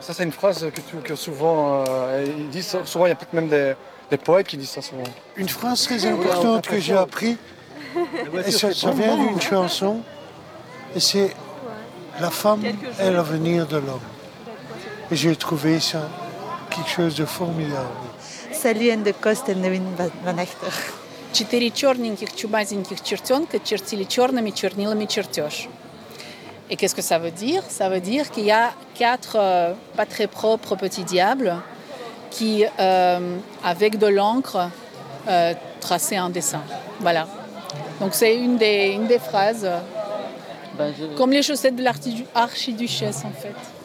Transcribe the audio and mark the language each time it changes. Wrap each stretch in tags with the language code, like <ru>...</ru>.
<fr>Ça, c'est une phrase que souvent, ils disent souvent, il y a peut-être même des poètes qui disent ça souvent. Une phrase très importante que j'ai appris, et ça vient d'une chanson, et c'est « La femme est l'avenir de l'homme ». Et j'ai trouvé ça quelque chose de formidable. Salut, Anne de Coste, Anne de Winvanechter.</fr> <ru>4 черненьких чубазеньких чертенка чертили черными чернилами чертеж.</ru> <fr>Et qu'est-ce que ça veut dire? Ça veut dire qu'il y a 4 pas très propres petits diables qui, avec de l'encre, traçaient un dessin. Voilà. Donc c'est une des phrases. Ben comme les chaussettes de l'archiduchesse, en fait.</fr>